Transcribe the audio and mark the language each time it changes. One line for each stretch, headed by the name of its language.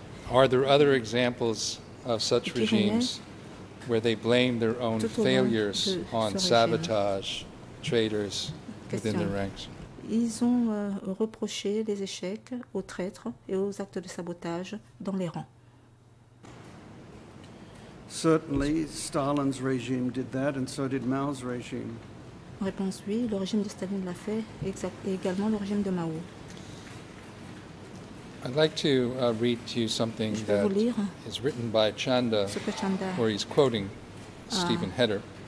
English: Are there other examples of such regimes where they blame their own failures on sabotage, traitors within their ranks?
French: Ils ont reproché les échecs aux traîtres et aux actes de sabotage dans les rangs.
English: Certainly, Stalin's regime did that, and so did Mao's regime.
French: Réponse oui, le régime de Staline l'a fait, et également le régime de Mao.
English: I'd like to read to you something that is written by Chanda, where he's quoting Stephen Heder.